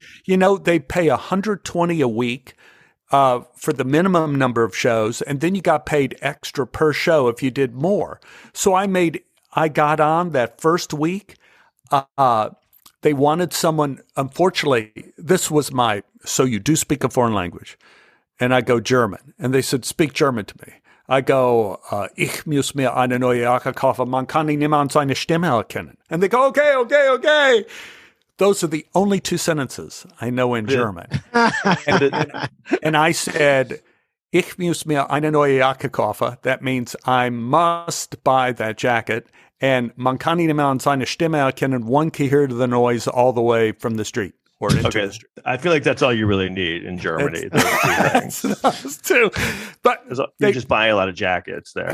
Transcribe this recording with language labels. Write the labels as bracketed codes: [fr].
[en] You know, they pay $120 a week for the minimum number of shows, and then you got paid extra per show if you did more. So I got on that first week. They wanted someone, unfortunately, this was my, so you do speak a foreign language. And I go, German. And they said, speak German to me. I go, [de] ich muss mir eine neue Jacke kaufen, man kann ich niemand seine Stimme erkennen. [en] And they go, okay. Those are the only two sentences I know in German. And I said, [de] ich muss mir eine neue Jacke kaufen. [en] That means I must buy that jacket. And [de] man kann ich niemand seine Stimme erkennen, [en] one can hear the noise all the way from the street. Or okay. I feel like that's all you really need in Germany. You're just buying a lot of jackets there.